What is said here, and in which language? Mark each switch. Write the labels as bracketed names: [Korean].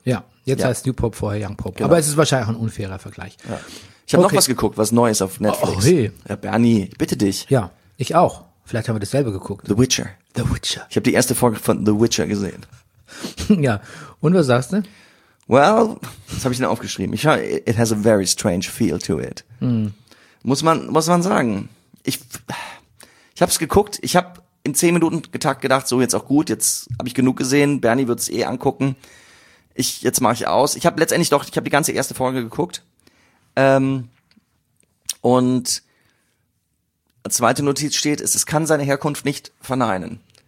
[German] Ja, jetzt heißt New Pope, vorher Young Pope. Genau. Aber es ist wahrscheinlich auch ein unfairer Vergleich. Ja. Ich habe noch was geguckt, was Neues auf Netflix. Oh, hey. Ja, Bernie, ich bitte dich. Ja, ich auch. Vielleicht haben wir dasselbe geguckt. The Witcher. The Witcher. Ich habe die erste Folge von The Witcher gesehen. Ja, und was sagst du? Well, das habe ich dann aufgeschrieben. [English] Ich, it has a very strange feel to it. [German] Mm. Muss man sagen. Ich habe es geguckt. Ich habe in 10-Minuten-Takt gedacht, so jetzt auch gut, jetzt habe ich genug gesehen. Bernie wird es eh angucken. Jetzt mache ich aus. Ich habe letztendlich doch, ich habe die ganze erste Folge geguckt. Und als zweite Notiz steht, es kann seine Herkunft nicht verneinen.